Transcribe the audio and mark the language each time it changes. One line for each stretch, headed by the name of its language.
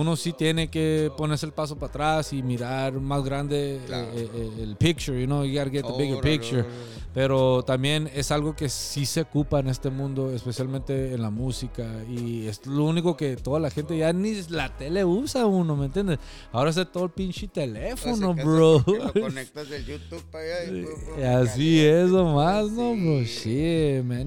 Spanish: Uno sí tiene que ponerse el paso para atrás y mirar más grande, claro.
English: El picture, you know, you gotta get the bigger picture.
Spanish: Pero también es algo que sí se ocupa en este mundo, especialmente en la música, y es lo único que toda la gente, ya ni la tele usa uno, ¿me entiendes? Ahora es todo el pinche teléfono, bro. Lo conectas del YouTube para allá y así es nomás, ¿no, bro? Sí, man.